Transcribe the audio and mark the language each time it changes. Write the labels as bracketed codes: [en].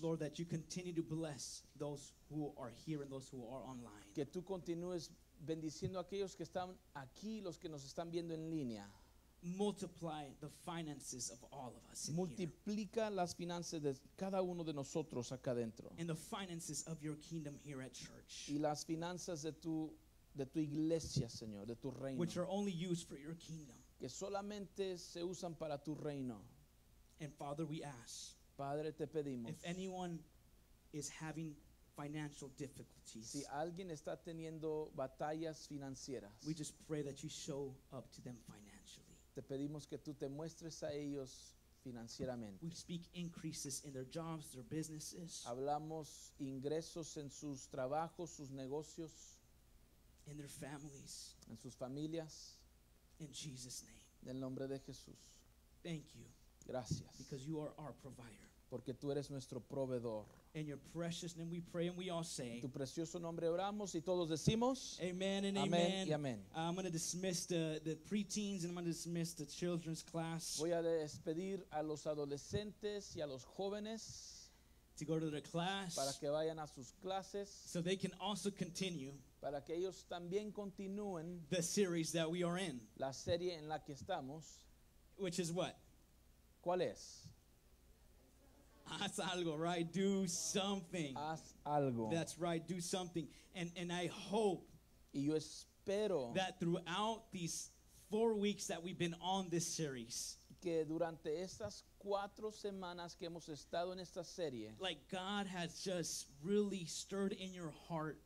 [en] Lord, that you continue to bless those who are here and those who are online. [es] Que tú continúes bendiciendo a aquellos que están aquí, los que nos están viendo en línea. [en] Multiply the finances of all of us. [es] Multiplica las finanzas de cada uno de nosotros acá dentro. [en] And the finances of your kingdom here at church. [es] Y las finanzas de tu iglesia, Señor, de tu reino. [en] Which are only used for your kingdom. [es] Que solamente se usan para tu reino. [en] And Father, we ask. [es] Padre, te pedimos. [en] If anyone is having financial difficulties. [es] Si alguien está teniendo batallas financieras. [en] We just pray that you show up to them financially. [es] Te pedimos que tú te muestres a ellos financieramente. [en] We speak increases in their jobs, their businesses. [es] Hablamos ingresos en sus trabajos, sus negocios. [en] In their families. [es] En sus familias. [en] In Jesus' name. [es] En el nombre de Jesús. [en] Thank you. [es] Gracias. [en] Because you are our provider. [es] Porque tú eres nuestro proveedor. [en] In your precious name we pray and we all say. [es] Tu precioso nombre oramos y todos decimos. [en] Amen and amen. [es] Amen y amen. [en] I'm going to dismiss the preteens and I'm going to dismiss the children's class. [es] Voy a despedir a los adolescentes y a los jóvenes. [en] To go to their class. [es] Para que vayan a sus clases. [en] So they can also continue. [es] Para que ellos también continúen. [en] The series that we are in. [es] La serie en la que estamos. [en] Which is what? [es] ¿Cuál es? Haz algo, [en] right? Do something. [es] Haz algo. [en] That's right. Do something. And I hope. [es] Y yo espero. [en] That throughout these 4 weeks that we've been on this series. [es] Que durante estas 4 semanas que hemos estado en esta serie. [en] Like God has just really stirred in your heart.